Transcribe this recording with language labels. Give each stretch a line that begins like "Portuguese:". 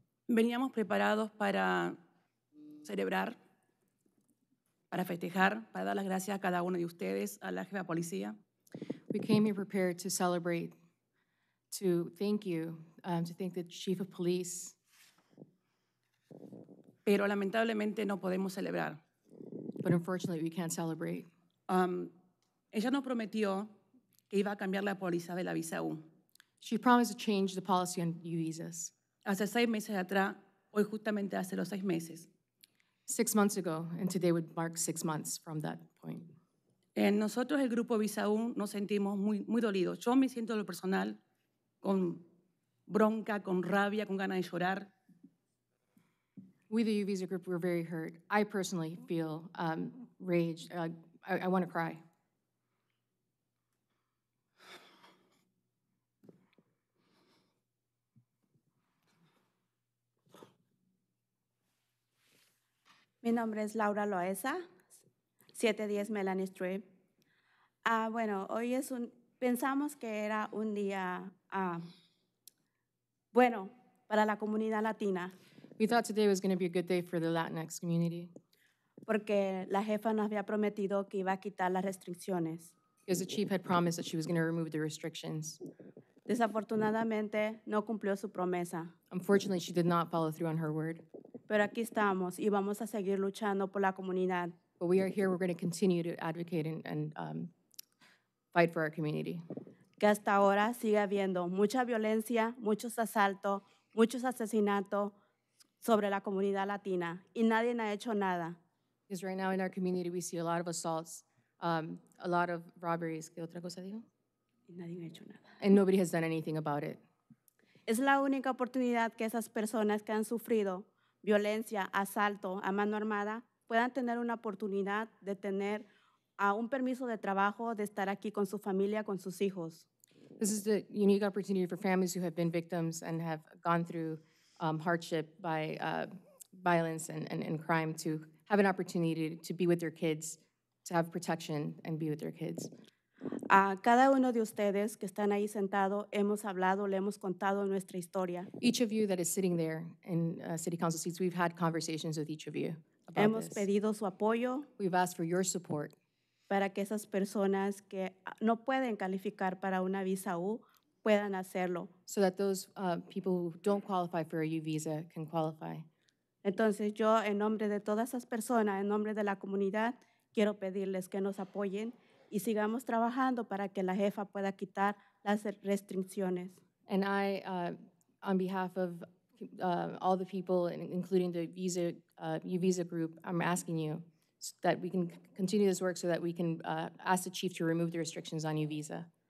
Spanish: Veníamos preparados para celebrar, para festejar, para dar las gracias a cada uno de ustedes, a la jefa policía.
English: We came here prepared to celebrate, to thank you, to thank the chief of police.
Spanish: Pero lamentablemente no podemos celebrar.
English: But unfortunately, we can't celebrate.
Spanish: Ella nos prometió que iba a cambiar la póliza de la visa U.
English: She promised to change the policy on U-visas.
Spanish: Hace 6 meses atrás, hoy justamente hace los 6 meses.
English: 6 months ago, and today would mark 6 months from that point.
Spanish: En nosotros, el grupo visa U, nos sentimos muy, muy dolidos. Yo me siento lo personal con bronca, con rabia, con ganas de llorar.
English: We, the U-Visa group, were very hurt. I personally feel rage. I want to cry.
Spanish: Mi nombre es Laura Loesa, 710 Melanie Street. Bueno, hoy es un, pensamos que era un día bueno para la comunidad latina.
English: We thought today was going to be a good day for the Latinx community.
Spanish: Porque la jefa nos había prometido que iba a quitar las restricciones.
English: Because the chief had promised that she was going to remove the restrictions.
Spanish: Desafortunadamente, no cumplió su promesa.
English: Unfortunately, she did not follow through on her word.
Spanish: Pero aquí estamos y vamos a seguir luchando por la comunidad.
English: But we are here, we're going to continue to advocate and fight for our community.
Spanish: Que hasta ahora sigue habiendo mucha violencia, muchos asaltos, muchos asesinatos sobre la comunidad latina, y nadie ha hecho nada.
English: Because right now in our community we see a lot of assaults, a lot of robberies.
Spanish: ¿Qué otra cosa digo? Y nadie ha hecho nada.
English: And nobody has done anything about it.
Spanish: Es la única oportunidad que esas personas que han sufrido violencia, asalto, a mano armada, puedan tener una oportunidad de tener un permiso de trabajo, de estar aquí con su familia, con sus hijos.
English: This is the unique opportunity for families who have been victims and have gone through hardship by violence and crime to have an opportunity to be with their kids, to have protection and be with their kids.
Spanish: Cada uno de ustedes que están ahí sentado, hemos hablado, le hemos contado nuestra historia.
English: Each of you that is sitting there in city council seats, we've had conversations with each of you about
Spanish: hemos
English: this.
Spanish: Pedido su apoyo.
English: We've asked for your support.
Spanish: Para que esas personas que no pueden calificar para una visa U, puedan hacerlo.
English: So that those people who don't qualify for a U visa can qualify.
Spanish: Entonces yo, en nombre de todas esas personas, en nombre de la comunidad, quiero pedirles que nos apoyen y sigamos trabajando para que la jefa pueda quitar las restricciones.
English: And I, on behalf of all the people, including the visa, U visa group, I'm asking you so that we can continue this work so that we can ask the chief to remove the restrictions on U visa.